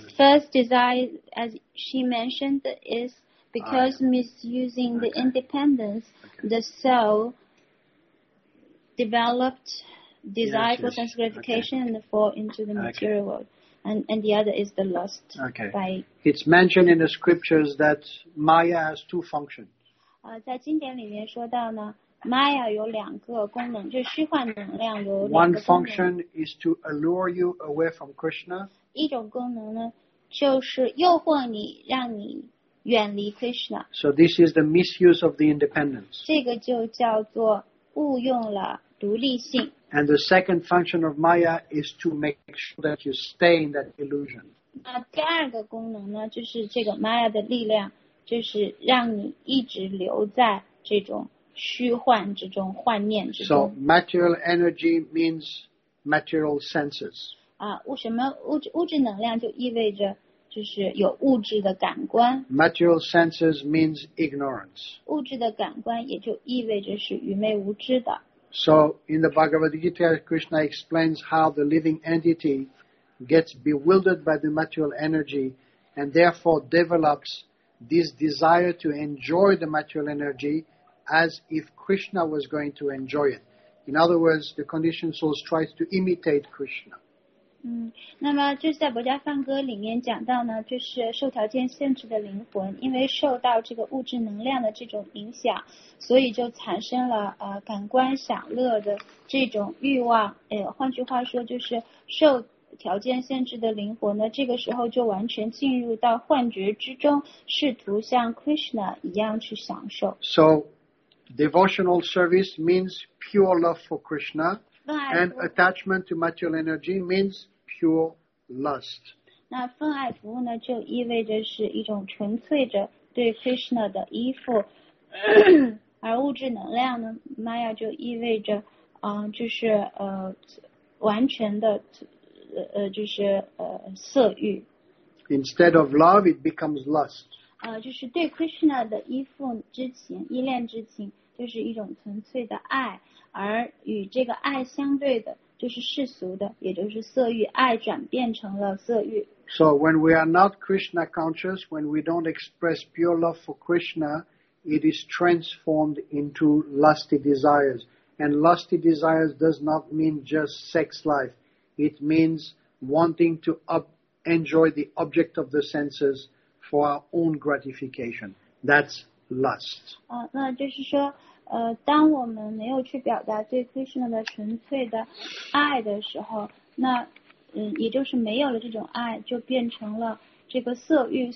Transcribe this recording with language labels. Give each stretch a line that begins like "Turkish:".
English: The first desire, as she mentioned, is because misusing the independence, the soul developed desire for sense gratification and fall into the material world. And the other is the lust. Okay. It's mentioned in the scriptures that Maya has two functions.
Chinese: 在经典里面说到呢, Maya 有两个功能, 就虚幻能量有两个功能。
English: One function is to allure you away from Krishna.
Chinese: 一种功能呢, 就是诱惑你, 让你远离 Krishna。
English: So this is the misuse of the independence.
Chinese: 这个就叫做误用了独立性。
English: And the second function of Maya is to make sure that you stay in that illusion.
Chinese: 那第二个功能呢，就是这个 Maya 的力量，就是让你一直留在这种虚幻之中，幻念之中。
English: So material energy means material senses.
Chinese: 啊，什么物质能量就意味着就是有物质的感官。
English: Material senses means ignorance.
Chinese: 物质的感官也就意味着是愚昧无知的。
English: So in the Bhagavad Gita, Krishna explains how the living entity gets bewildered by the material energy and therefore develops this desire to enjoy the material energy as if Krishna was going to enjoy it. In other words, the conditioned soul tries to imitate Krishna.
Chinese: 那么就是在博迦梵歌里面讲到呢，就是受条件限制的灵魂，因为受到这个物质能量的这种影响，所以就产生了感官享乐的这种欲望。换句话说，就是受条件限制的灵魂呢，这个时候就完全进入到幻觉之中，试图像 Krishna 一样去享受。
English: So, devotional service means pure love for Krishna. And attachment to material energy means pure lust.
Chinese: 那分爱服务呢，就意味着是一种纯粹着对 Krishna 的依附，而物质能量呢 ，Maya 就意味着，就是完全的，就是色欲。
English: Instead of love, it becomes lust.
Chinese: 就是对 Krishna 的依附之情、依恋之情，就是一种纯粹的爱。而与这个爱相对的就是世俗的，也就是色欲，爱转变成了色欲。
English: So when we are not Krishna conscious, when we don't express pure love for Krishna, it is transformed into lusty desires. And lusty desires does not mean just sex life. It means wanting to enjoy the object of the senses for our own gratification. That's lust.
Chinese: 那就是说当我们没有去表达对 Krishna 的纯粹的爱的时候，那也就是没有了这种爱，就变成了这个色欲。